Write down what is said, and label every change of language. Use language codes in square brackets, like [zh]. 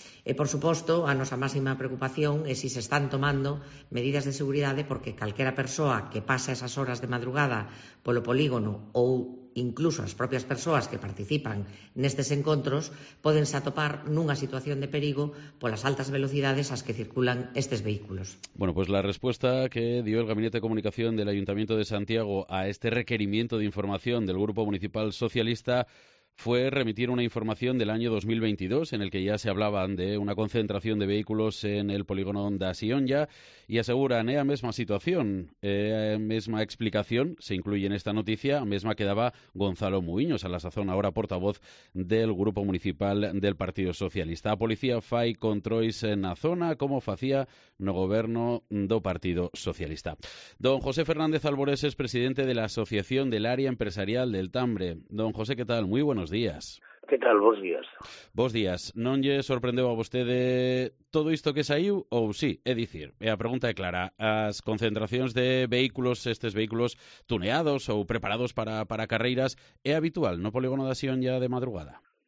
[gl] E, por suposto, a nosa máxima preocupación é si se están tomando medidas de seguridade porque calquera persoa que pasa esas horas de madrugada polo polígono ou incluso as propias persoas que participan nestes encontros poden se atopar nunha situación de perigo polas altas velocidades ás que circulan estes vehículos. [es] Bueno, pues la respuesta que dio el Gabinete de Comunicación del Ayuntamiento de Santiago a este requerimiento de información del Grupo Municipal Socialista fue remitir una información del año 2022 en el que ya se hablaban de una concentración de vehículos en el polígono de Asionya y aseguran la misma situación, misma explicación se incluye en esta noticia, misma que daba Gonzalo Muiños a la sazón, ahora portavoz del Grupo Municipal del Partido Socialista. [gl] A policía fai controis en la zona como facía no goberno do Partido Socialista. [es] Don José Fernández Albores es presidente de la Asociación del Área Empresarial del Tambre. Don José, ¿qué tal? Muy buenos días. [gl] ¿Qué tal? Vos días. Vos días. ¿Non lle sorprendeu a vostede todo isto que saiu? Ou sí, é dicir, e a pregunta é clara. As concentracións de vehículos, estes vehículos tuneados ou preparados para carreiras, é habitual no polígono de Asionya de madrugada?